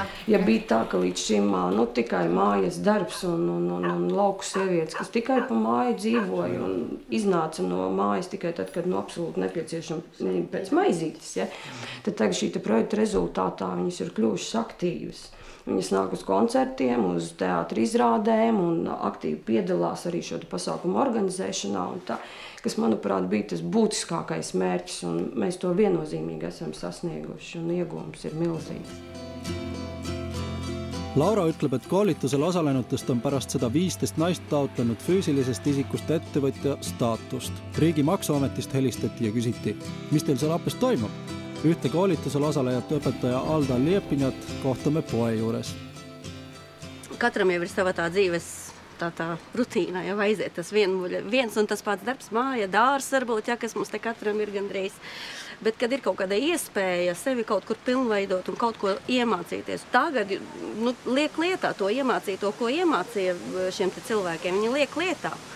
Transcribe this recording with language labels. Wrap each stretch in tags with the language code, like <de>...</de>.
<lv>Ja bija tā, ka līdz šim nu, tikai mājas darbs un lauku sievietes, kas tikai pa māju dzīvoja un iznāca no mājas tikai tad, kad no absolūti nepieciešama pēc maizītes, ja, tad tagad šī te projekta rezultātā viņas ir kļuvušas aktīvas. Viņas nāk uz koncertiem, uz teātra izrādēm un aktīvi piedalās arī šo pasākumu organizēšanā. Un tā, kas, manuprāt, bija tas būtiskākais mērķis un mēs to viennozīmīgi esam sasnieguši un iegūms ir milzīgs.</lv> <et>Laura ütleb, et koolitusel osalenutest on pärast seda 15 naist taotlenud füüsilisest isikust ettevõtja staatust. Riigi maksuametist helistati ja küsiti, mis teil seal appes toimub? Ühte koolitusel osalejat õpetaja Alda Liepinjat kohtame poe juures.</et> <lv>Katram jau ir sava tā dzīves tā rutīna, ja vaiziet tas viens un tas pats darbs, māja, dārs varbūt, ja, kas mums te katram ir gandrīz. Bet kad ir kaut kāda iespēja sevi kaut kur pilnveidot un kaut ko iemācīties, tagad nu, liek lietā to iemācīto, ko iemācīja šiem te cilvēkiem, viņi liek lietā.</lv>